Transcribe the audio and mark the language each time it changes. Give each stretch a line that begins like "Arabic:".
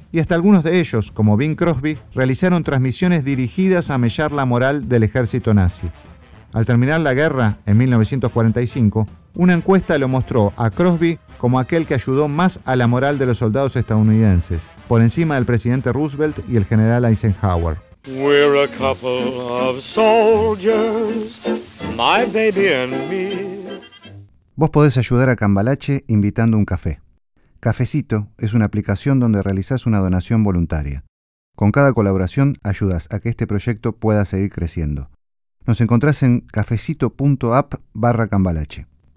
Spanish: Y hasta algunos de ellos, como Bing Crosby, realizaron transmisiones dirigidas a mellar la moral del ejército nazi. Al terminar la guerra, en 1945, una encuesta lo mostró a Crosby como aquel que ayudó más a la moral de los soldados estadounidenses, por encima del presidente Roosevelt y el general Eisenhower.
English: We're a couple of soldiers, my baby and me.
Spanish: Vos podés ayudar a Cambalache invitando un café. Cafecito es una aplicación donde realizás una donación voluntaria. Con cada colaboración ayudas a que este proyecto pueda seguir creciendo. Nos encontrás en cafecito.app/cambalache.